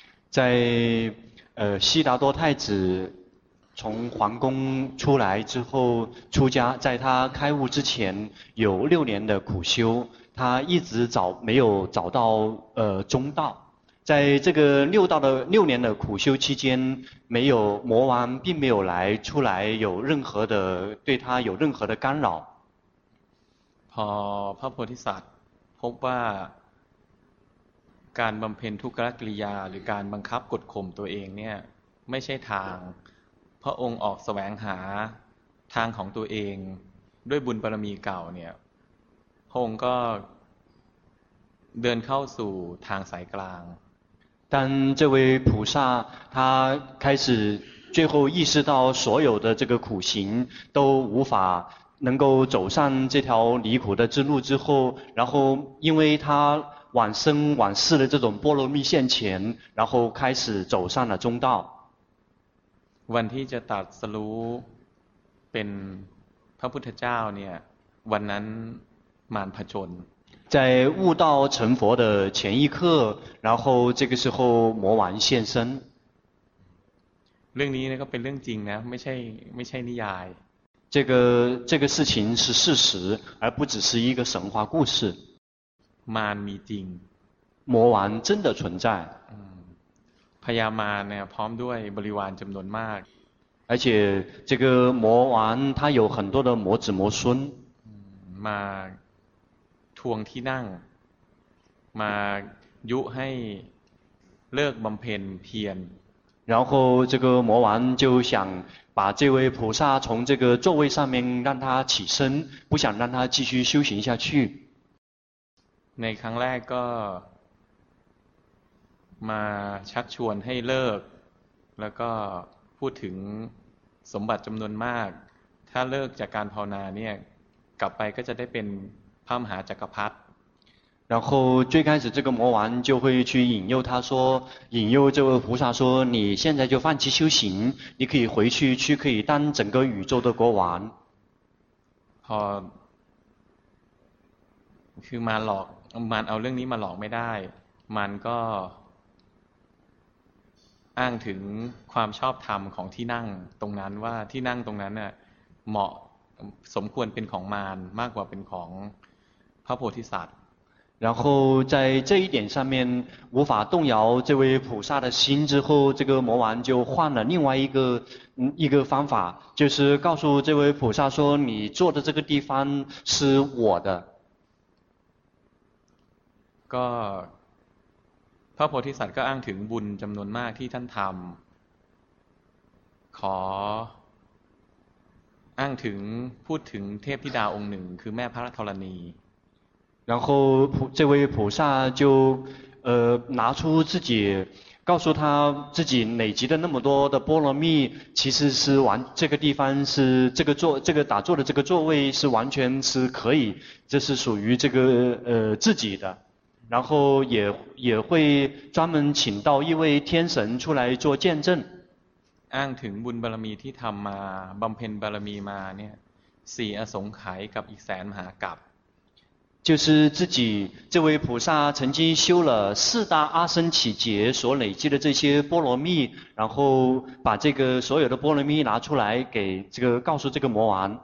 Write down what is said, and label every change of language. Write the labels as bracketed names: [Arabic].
[Chinese] 在悉达多太子从皇宫出来之后出家在他开悟之前有六年的苦修他一直没有找到中道在这个六年的苦修期间没有魔王并没有来出来有任何的对他有任何的干扰 [Thai] พอพระโพธิสัตว์พบว่าการบำเพ็ญทุกขกิริยาหรือการบังคับกดข่มตัวเองเนี่ยไม่ใช่ทางพระองค์ออกแสวงหาทางของตัวเองด้วยบุญบารมีเก่าเนี่ยพระองค์ก็เดินเข้าสู่ทางสายกลาง [Chinese] 但这位菩萨他开始最后意识到所有的这个苦行都无法能够走上这条离苦的之路之后然后因为他往生往世的这种波罗蜜现前然后开始走上了中道 [Thai] วันที่จะตรัสรู้เป็นพระพุทธเจ้าเนี่ยวันนั้นมารผจญ [Chinese] 在悟道成佛的前一刻然后这个时候魔王现身 [Thai] เรื่องนี้เนี่ยก็เป็นเรื่องจริงนะไม่ใช่นิยาย [Chinese] 这个事情是事实而不只是一个神话故事 [Thai] มารมีจริง [Chinese] 魔王真的存在 [Thai] พญามารเนี่ยพร้อมด้วยบริวารจำนวนมาก [Chinese] 而且这个魔王他有很多的魔子魔孙 [Thai] มาทวงที่นั่งมายุให้เลิกบำเพ็ญเพียร [Chinese] 然后这个魔王就想把这位菩萨从这个座位上面让他起身不想让他继续修行下去 [Thai] ในครั้งแรกก็มาชักชวนให้เลิกแล้วก็พูดถึงสมบัติจำนวนมากถ้าเลิกจากการภาวนาเนี่ยกลับไปก็จะได้เป็นพระมหาจักรพรรดิ [Chinese] 然后最开始这个魔王就会去引诱他说引诱这位菩萨说你现在就放弃修行你可以回去去可以当整个宇宙的国王 [Thai] พอคือมาหลอกมันเอาเรื่องนี้มาหลอกไม่ได้มันก็อ้างถึงความชอบธรรมของที่นั่งตรงนั้นว่าที่นั่งตรงนั้นน่ะเหมาะสมควรเป็นของมารมากกว่าเป็นของพระโพธิสัตว์ [Chinese] 然后在这一点上面无法动摇这位菩萨的心之后这个魔王就换了另外一个方法就是告诉这位菩萨说你坐的这个地方是我的 [Thai] ก็พระโพธิสัตว์ก็อ้างถึงบุญจำนวนมากที่ท่านทำขออ้างถึงพูดถึงเทพธิดาองค์หนึ่งคือแม่พระธรณี [Chinese] 然后这位菩萨就拿出自己告诉他自己累积的那么多的波罗蜜其实是完这个地方是这个打坐的这个座位是完全是可以这是属于这个自己的然后也会专门请到一位天神出来做见证。 [Thai] อ้างถึงบุญบารมีที่ทำมาบำเพ็ญบารมีมาเนี่ยสี่อสงไขยกับอีกแสนมหากัปป์ [Chinese] 就是自己这位菩萨曾经修了四大阿僧祇劫所累积的这些波罗蜜然后把这个所有的波罗蜜拿出来给这个告诉这个魔王。